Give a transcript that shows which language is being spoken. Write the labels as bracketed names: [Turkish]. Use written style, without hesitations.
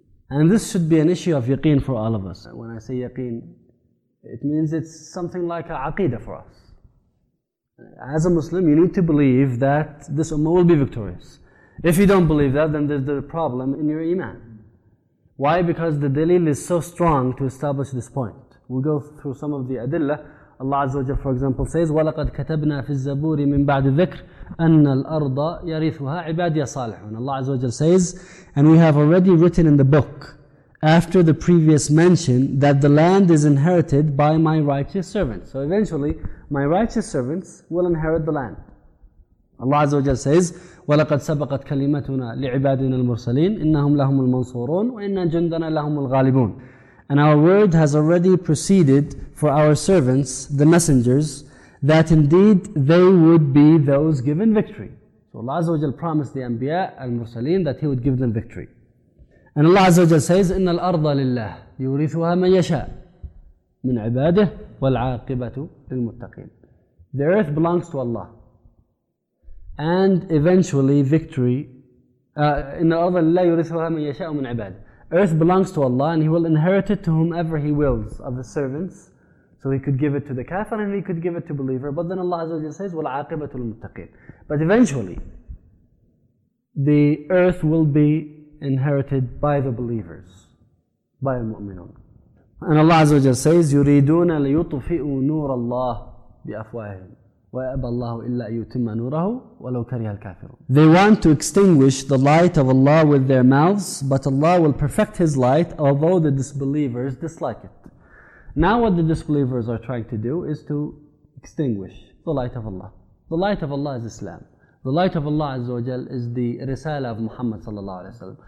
[English] And this should be an issue of yaqeen for all of us. When I say yaqeen, it means it's something like a aqidah for us. As a Muslim, you need to believe that this Ummah will be victorious. If you don't believe that, then there's the problem in your iman. Why? Because the dalil is so strong to establish this point. We'll go through some of the adilla. Allah Azza wa Jalla, for example, says, [Arabic] وَلَقَدْ كَتَبْنَا فِي الزَّبُورِ مِنْ بَعْدِ ذِكْرِ أَنَّ الْأَرْضَ يَرِثُهَا عِبَادِيَ صَالِحُونَ. [English] Allah Azza wa Jalla says, and we have already written in the book, after the previous mention, that the land is inherited by my righteous servants. So eventually, my righteous servants will inherit the land. Allah Azza wa Jalla says, [Arabic] وَلَقَدْ سَبَقَتْ كَلِمَتُنَا لِعِبَادِنَا الْمُرْسَلِينَ إِنَّهُمْ لَهُمُ الْمَنْصُورُونَ وَإِنَّ جُنْدَنَا لَهُمُ الْغَالِبُونَ. [English] And our word has already proceeded for our servants, the messengers, that indeed they would be those given victory. So Allah Azza wa Jalla promised the Anbiya, al-Mursaleen, that He would give them victory. And Allah Azza wa Jalla says, [Arabic] إِنَّ الْأَرْضَ لِلَّهِ يُورِثُهَا مَنْ يَشَاءُ مِنْ عِبَادِهِ وَالْعَاقِبَةُ لِلْمُتَّقِينَ. [English] The earth belongs to Allah. And eventually victory, [Arabic] إِنَّ الْأَرْضَ لِلَّهِ يُورِثُهَا مَنْ يَشَاءُ مِنْ عِبَادِهِ. [English] Earth belongs to Allah and He will inherit it to whomever He wills of His servants. So He could give it to the kafir and He could give it to believer. But then Allah Azza wa Jalla says, [Arabic] وَالْعَاقِبَةُ لِلْمُتَّقِينَ. [English] But eventually, the earth will be inherited by the believers, by al-mu'minun. And Allah Azza wa Jalla says, [Arabic] يُرِيدُونَ لِيُطْفِئُوا نُورَ اللَّهِ بِأَفْوَاهِهِمْ وَيَأْبَى اللَّهُ إِلَّا يُتِمَّ نُورَهُ وَلَوْ كَرِهَ الْكَافِرُونَ. [English] They want to extinguish the light of Allah with their mouths, but Allah will perfect His light, although the disbelievers dislike it. Now what the disbelievers are trying to do is to extinguish the light of Allah. The light of Allah is Islam. The light of Allah Azza wa Jal is the Risala of Muhammad Sallallahu Alaihi Wasallam.